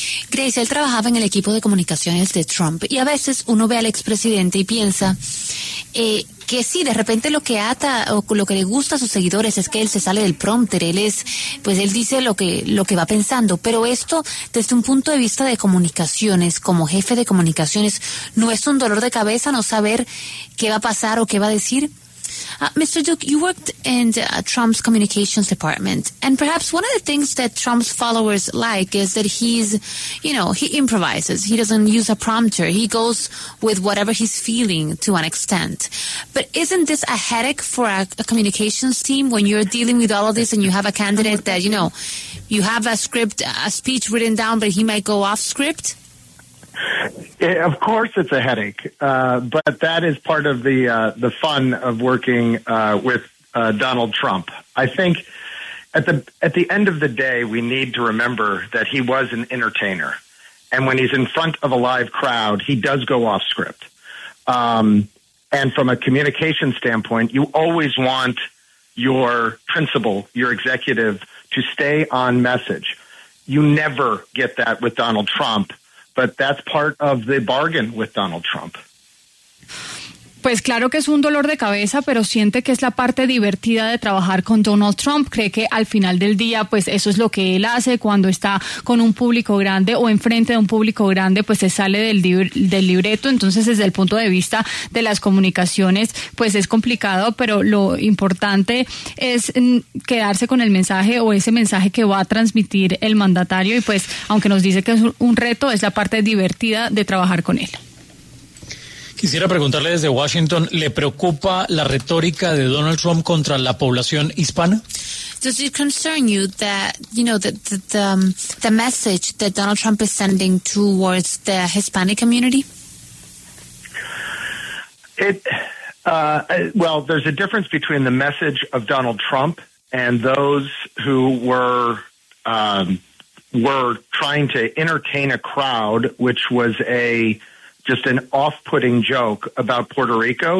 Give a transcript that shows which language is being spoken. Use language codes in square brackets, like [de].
[es] Grace, él trabajaba en el equipo de comunicaciones de Trump y a veces uno ve al expresidente y piensa que sí, de repente lo que ata o lo que le gusta a sus seguidores es que él se sale del prompter, él dice lo que va pensando, pero esto desde un punto de vista de comunicaciones, como jefe de comunicaciones, ¿no es un dolor de cabeza no saber qué va a pasar o qué va a decir? [en] Mr. Duke, you worked in Trump's communications department, and perhaps one of the things that Trump's followers like is that he improvises. He doesn't use a prompter. He goes with whatever he's feeling to an extent. But isn't this a headache for a communications team when you're dealing with all of this and you have a candidate that, you know, you have a script, a speech written down, but he might go off script? Of course it's a headache, but that is part of the fun of working with Donald Trump. I think at the end of the day, we need to remember that he was an entertainer. And when he's in front of a live crowd, he does go off script. And from a communication standpoint, you always want your principal, your executive, to stay on message. You never get that with Donald Trump. But that's part of the bargain with Donald Trump. [es] Pues claro que es un dolor de cabeza, pero siente que es la parte divertida de trabajar con Donald Trump. Cree que al final del día, pues eso es lo que él hace cuando está con un público grande o enfrente de un público grande, pues se sale del libreto. Entonces, desde el punto de vista de las comunicaciones, pues es complicado, pero lo importante es quedarse con el mensaje o ese mensaje que va a transmitir el mandatario. Y pues, aunque nos dice que es un reto, es la parte divertida de trabajar con él. Quisiera preguntarle desde Washington, ¿le preocupa la retórica de Donald Trump contra la población hispana? [en] Does it concern you that, you know, the message that Donald Trump is sending towards the Hispanic community? Well, there's a difference between the message of Donald Trump and those who were trying to entertain a crowd, which was just an off-putting joke about Puerto Rico.